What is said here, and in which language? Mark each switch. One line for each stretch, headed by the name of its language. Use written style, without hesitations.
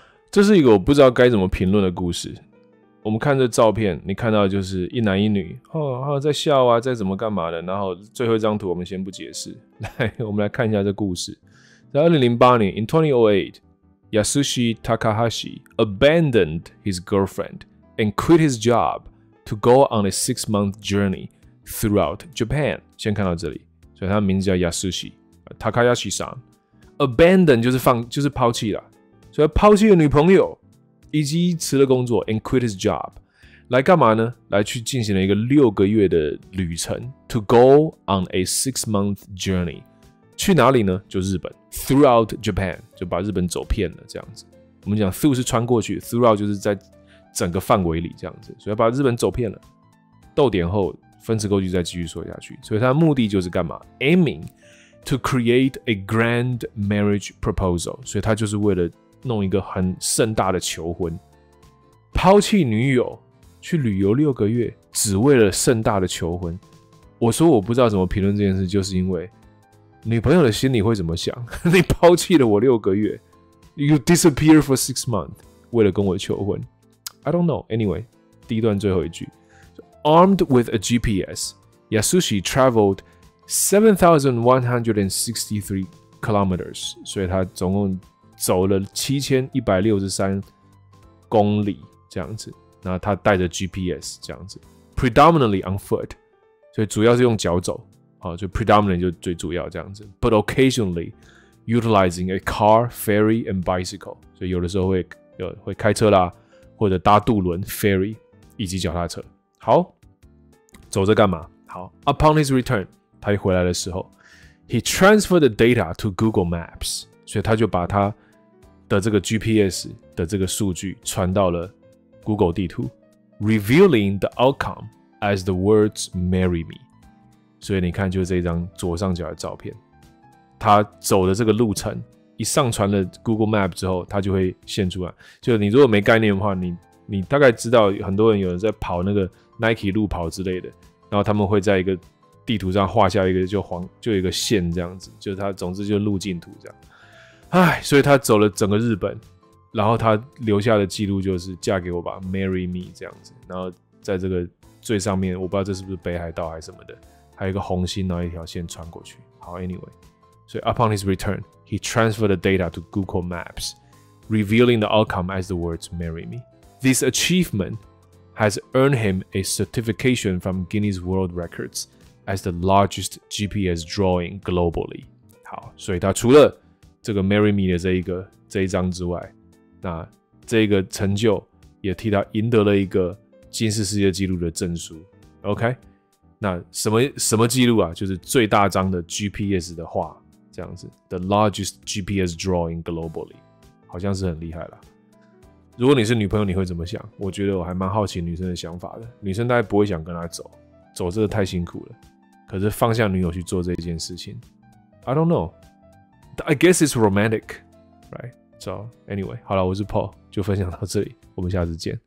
Chinese: 这是一个我不知道该怎么评论的故事。我们看这照片，你看到就是一男一女，在笑啊，在怎么干嘛的。然后最后一张图我们先不解释，来，我们来看一下这故事。在2008年
English: ，in 2008， Yasushi Takahashi abandoned his girlfriend and quit his job to go on a six-month journey throughout Japan。
Chinese: 先看到这里，所以他的名字叫 Yasushi Takahashi-san。 Abandon 就是放，就是抛弃了。所以抛弃了女朋友，以及辞了工作 ，
English: and quit his job，
Chinese: 来干嘛呢？来去进行了一个六个月的旅程 ，
English: to go on a six-month journey，
Chinese: 去哪里呢？就日本 ，
English: throughout Japan，
Chinese: 就把日本走遍了这样子。我们讲 through 是穿过去 ，throughout 就是在整个范围里这样子，所以把日本走遍了。逗点后，分词构句再继续说下去。所以他的目的就是干嘛 ？
English: Aiming to create a grand marriage proposal，
Chinese: 所以他就是为了弄一个很盛大的求婚，抛弃女友去旅游六个月，只为了盛大的求婚。我说我不知道怎么评论这件事，就是因为女朋友的心里会怎么想？你抛弃了我六个月 ，
English: You disappear for six months，
Chinese: 为了跟我求婚 ？
English: I don't know. Anyway，
Chinese: 第一段最后一句
English: ，Armed with a GPS， Yasushi traveled 7,163 kilometers，
Chinese: 所以他总共走了7163 公里这样子，那他带着 GPS 这样子 ，
English: predominantly on foot，
Chinese: 所以主要是用脚走啊，就 predominantly 就最主要这样子 ，
English: but occasionally utilizing a car, ferry and bicycle，
Chinese: 所以有的时候会开车啦，或者搭渡轮 ferry 以及脚踏车。好，走着干嘛？
English: 好 ，upon his return，
Chinese: 他一回来的时候
English: ，he transferred the data to Google Maps。
Chinese: 所以他就把他的这个 GPS 的这个数据传到了 Google 地图 ，
English: revealing the outcome as the words "marry me"。
Chinese: 所以你看，就是这张左上角的照片，他走的这个路程，一上传了 Google Map 之后，他就会现出来。就你如果没概念的话，你大概知道很多人有人在跑那个 Nike 路跑之类的，然后他们会在一个地图上画下一个就黄就一个线这样子，就是他总之就路径图这样。唉，所以他走了整个日本，然后他留下的记录就是嫁给我吧 ，marry me 这样子。然后在这个最上面，我不知道这是不是北海道还是什么的，还有一个红心，然后一条线穿过去。
English: 好 ，anyway， 所以 upon his return， he transferred the data to Google Maps， revealing the outcome as the words "marry me". This achievement has earned him a certification from Guinness World Records as the largest GPS drawing globally。
Chinese: 好，所以他除了这个 Marry Me 的这一张之外，那这个成就也替他赢得了一个吉尼斯世界纪录的证书。 OK， 那什么纪录啊？就是最大张的 GPS 的画，这样子 ，
English: the largest GPS drawing globally，
Chinese: 好像是很厉害啦。如果你是女朋友，你会怎么想？我觉得我还蛮好奇女生的想法的。女生大概不会想跟他走，走这个太辛苦了。可是放下女友去做这件事情 ，
English: I don't know。 I guess it's romantic, right? So anyway,
Chinese: 好了，我是 Paul， 就分享到这里，我们下次见。